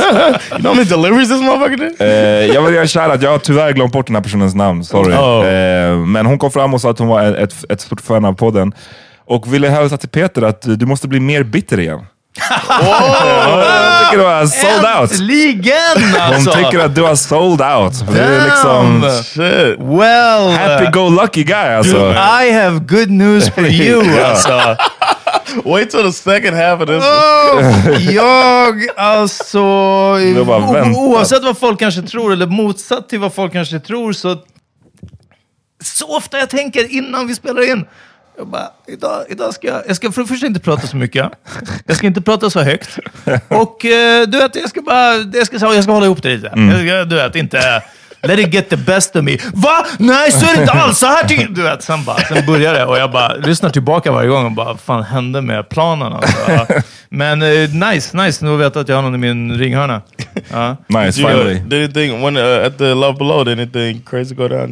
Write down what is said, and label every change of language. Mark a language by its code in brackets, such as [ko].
[en] You know how many deliveries this motherfucker did? [sv] Jag vill göra shoutout. Jag har tyvärr glömt bort den här personens namn. Sorry. Men hon kom fram och sa att hon var ett stort fan av podden. Och ville hälsa till Peter att du måste bli mer bitter igen. Tycker du har [en] sold out. [sv] Äntligen alltså. Hon tycker att du har [en] sold out. Damn. [sv] Det är liksom, [en] shit. Well. Happy go lucky guy [sv] alltså. [en] Dude, I have good news for you [sv] alltså. [en] Wait till the second half of this. [sv] Jag alltså. Oavsett vad folk kanske tror eller motsatt till vad folk kanske tror. Så ofta jag tänker innan vi spelar in. Jag bara, idag ska jag ska först inte prata så mycket. Jag ska inte prata så högt. Och du vet, jag ska hålla ihop det lite. Du vet, inte [en] let it get the best of me. [sv] Va? Nej, så är det inte alls så här. Du vet, sen börjar det. Och jag bara lyssnar tillbaka varje gång. Och bara, vad fan hände med planerna? Men nice. Nu vet jag att jag har någon i min ringhörna. [en] Nice, finally. Did you think, at the Love Below, did anything crazy go down?